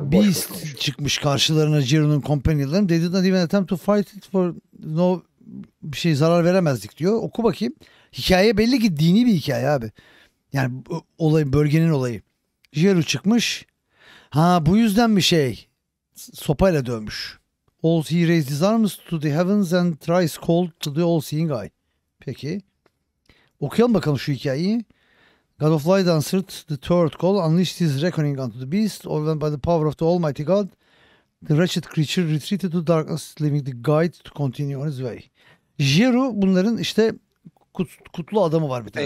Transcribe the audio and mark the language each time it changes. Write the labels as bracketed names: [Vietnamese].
[Turkish] Beast çıkmış karşılarına Jeru'nun companion'ların. [English] They did not even attempt to fight it for no [Turkish] bir şey zarar veremezdik diyor. Oku bakayım. Hikaye belli ki dini bir hikaye abi. Yani olay bölgenin olayı. Jeru çıkmış. Ha bu yüzden bir şey. Sopayla dövmüş. [English] All he raised his arms to the heavens and thrice called to the all seeing eye. [Turkish] Peki. Okuyalım bakalım şu hikayeyi. [English] God of light answered the third call, unleashed his reckoning unto the beast, overwhelmed by the power of the almighty God. The wretched creature retreated to darkness, leaving the guide to continue on his way. [Turkish] Jiru bunların işte kutlu adamı var bir tane.